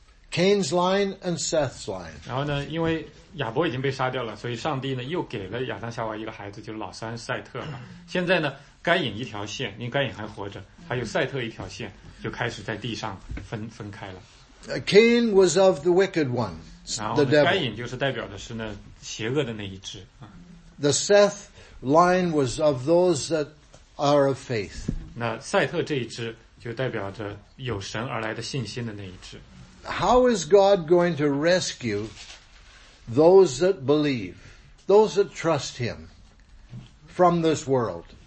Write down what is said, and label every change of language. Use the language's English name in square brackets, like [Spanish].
[English] Cain's line and Seth's line. [Chinese] 然后呢, 因为亚伯已经被杀掉了, 所以上帝呢, 又给了亚当夏娃一个孩子, 就是老三赛特了。现在呢, 该隐一条线, 因该隐还活着, 还有赛特一条线, 就开始在地上分开了。 [English] Cain was of the wicked one, the devil. [Chinese] 该隐就是代表的是呢, 邪恶的那一只。 [English] The Seth line was of those that are of faith. [Chinese] 那赛特这一只, 就代表着有神而来的信心的那一只。 [English] How is God going to rescue those that believe, those that trust Him from this world?